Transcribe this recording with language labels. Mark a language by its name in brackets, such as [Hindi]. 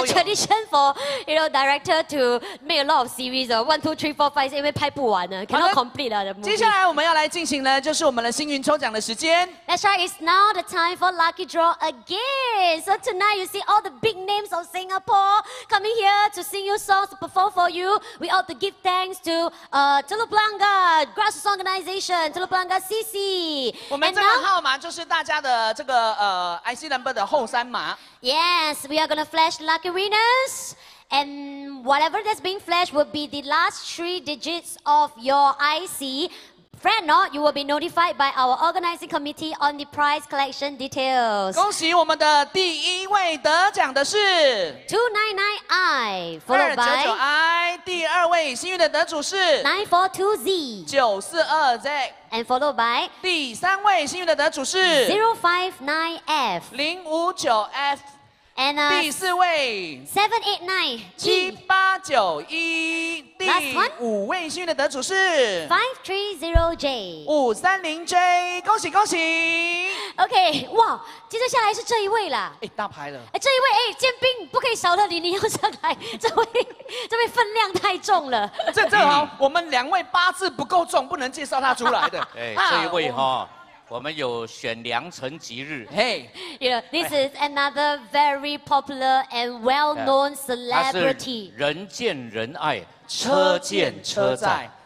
[English] 有。It's a tradition for you know director to make a lot of series. One, two, three, four, five, six， [Chinese] 因为拍不完了 [English] ，cannot complete [Chinese] 了的 [English] movie。 [Chinese] 接下来我们要来进行就是我们的幸运抽奖的时间。 [English] That's right, it's now the time for lucky draw again. So tonight you see all the big names of Singapore coming here to sing you songs, to perform for you. We ought to give thanks to Telok Blangah Grassroots Organization, Telok Blangah CC. [Chinese] 我们这个号码就是大家的这个IC number 的后三码。 [English] Yes, we are gonna flash lucky winners. And whatever that's being flashed will be the last three digits of your IC. Fret not, you will be notified by our organizing committee on the prize collection details. [Chinese] 恭喜我们的第一位得奖的是 [English] 299i, followed by [Chinese] 299i. 第二位幸运的得主是 942z, 942z. [English] And followed by [Chinese] 第三位幸运的得主是 059f, 059f. [English] And, [Chinese] 第四位 789 7891 第五位幸运的得主是 530J 530J 恭喜恭喜 OK 哇接着下来是这一位啦哎、欸、大牌了哎、欸、这一位哎剑、欸、兵不可以少了你你要上来这位分量太重了这正好我们两位八字不够重不能介绍他出来的哎、欸、这一位哈我们有选良辰吉日。 [English] Hey, you know, this is another very popular and well-known celebrity. [Chinese] 他是人见人爱，车见车载，